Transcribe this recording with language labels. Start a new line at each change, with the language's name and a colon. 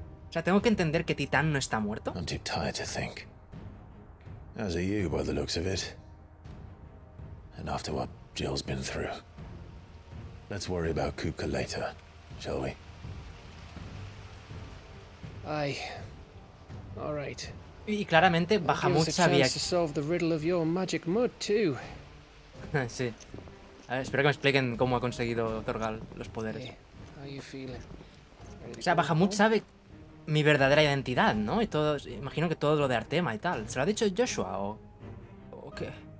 Spanish: O sea, tengo que entender que Titán no está muerto.
English: I'm too tired to think. As are you, by the looks of it. And after what Jill's been through, let's worry about Kuka later, shall we? Aye. All right.
Spanish: Y claramente Bahamut sabía.
English: To solve the riddle of your magic mud too.
Spanish: Sí. A ver, espero que me expliquen cómo ha conseguido Torgal los poderes.
English: How you feeling?
Spanish: O sea, Bahamut sabe mi verdadera identidad, ¿no? Y todo, imagino que todo lo de Artema y tal. ¿Se lo ha dicho Joshua o qué?